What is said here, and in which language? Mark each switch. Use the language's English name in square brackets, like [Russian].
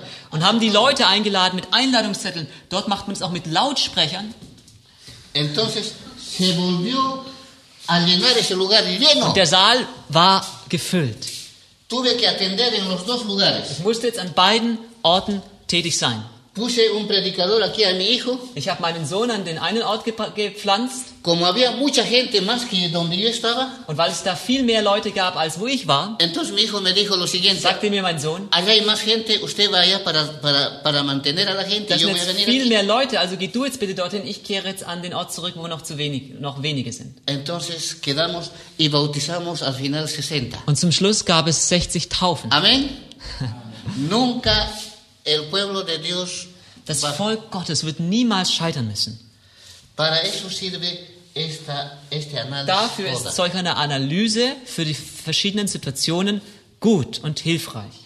[German] Und haben die Leute eingeladen mit Einladungszetteln. Dort macht man es auch mit Lautsprechern. [Spanish] Entonces se volvió a llenar ese lugar lleno. [German] Und der Saal war gefüllt. [Spanish] Tuve que atender en los dos lugares. [German] Ich musste jetzt an beiden Orten tätig sein. [Spanish] Puse un predicador aquí a mi hijo. [German] Ich habe meinen Sohn an den einen Ort gepflanzt. [Spanish] Como había mucha gente más que donde yo estaba. [German] Und weil es da viel mehr Leute gab, als wo ich war, [Spanish] entonces mi hijo me dijo lo siguiente. [German] Sagte mir mein Sohn, [Spanish] allá hay más gente, usted vaya para mantener a la gente. [German] Das sind jetzt viel mehr Leute, also geh du jetzt bitte dorthin, ich kehre jetzt an den Ort zurück, wo noch wenige sind. [Spanish] Entonces quedamos y bautizamos al final 60. [German] Und zum Schluss gab es 60 Taufen. [Spanish] Amen. Nunca el pueblo de Dios. [German] Das Volk Gottes wird niemals scheitern müssen. [Spanish] Para eso sirve este análisis. [German] Dafür ist solch eine Analyse für die verschiedenen Situationen gut und hilfreich.